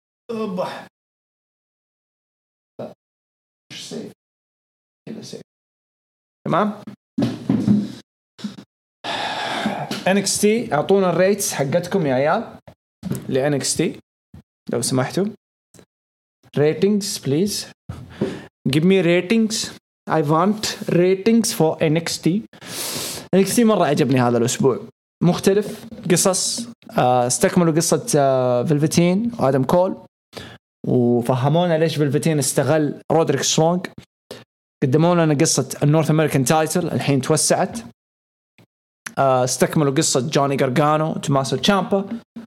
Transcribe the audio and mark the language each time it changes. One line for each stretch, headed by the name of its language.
Arabic: أبا إيش سيف كذا سيف تمام. NXT أعطونا الريتس حقتكم يا عيال لNXT لو سمحتوا.
English: ratings please give me ratings. I want ratings for NXT.
Arabic: NXT مرة عجبني هذا الأسبوع. مختلف قصص. استكملوا قصة فيلفتين وآدم كول وفهمونا ليش فيلفتين استغل رودريك سترونج. قدمونا لنا قصة النورث أمريكان تايتل الحين توسعت. استكملوا قصة جوني غارغانو توماسو تشامبا.